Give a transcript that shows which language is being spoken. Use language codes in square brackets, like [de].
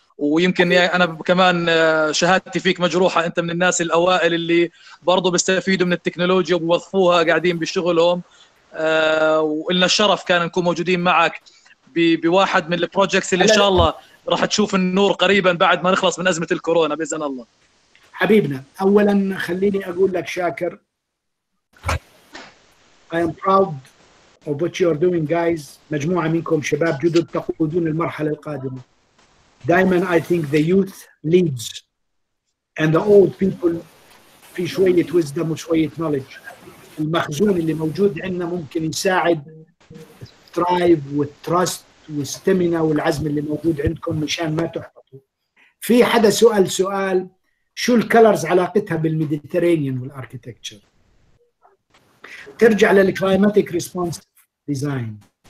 [ar] ويمكن أنا كمان شهادتي فيك مجروحة، أنت من الناس الأوائل اللي برضو بيستفيدوا من التكنولوجيا وبوظفوها قاعدين بشغلهم. وإلنا الشرف كان نكون موجودين معك بواحد من البروجيكتس اللي إن شاء الله راح تشوف النور قريبا بعد ما نخلص من أزمة الكورونا بإذن الله. حبيبنا أولا خليني أقول لك شاكر [en] I am proud of what you are doing guys. [ar] مجموعة منكم شباب جدد تقودون المرحلة القادمة. دائما [en] I think the youth leads and the old people [ar] في شوية [en] wisdom [ar] وشوية [en] knowledge. [ar] المخزون اللي موجود عندنا ممكن يساعد الترايب والتراست والستمينة والعزم اللي موجود عندكم مشان ما تحبطوا. في حدا سؤال شو الكالرز علاقتها بالميديترينيان والاركيتكتشر؟ ترجع للكلايماتيك ريسبونسيف ديزاين.